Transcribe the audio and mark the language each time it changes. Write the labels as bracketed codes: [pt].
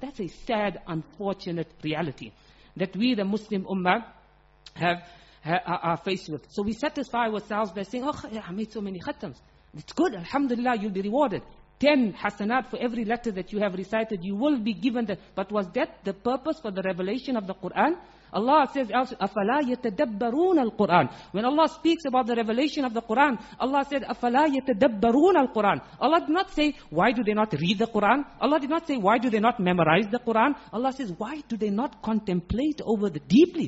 [en] That's a sad, unfortunate reality that we, the Muslim ummah, are faced with. So we satisfy ourselves by saying, oh, I made so many khatams. It's good, alhamdulillah, you'll be rewarded. 10 hasanat for every letter that you have recited, you will be given that. But was that the purpose for the revelation of the Quran? Allah says, [ar] أَفَلَا يَتَدَبَّرُونَ الْقُرْآنِ. [en] When Allah speaks about the revelation of the Quran, Allah said, [ar] أَفَلَا يَتَدَبَّرُونَ الْقُرْآنِ. [en] Allah did not say, why do they not read the Quran? Allah did not say, why do they not memorize the Quran? Allah says, why do they not contemplate over the deeply?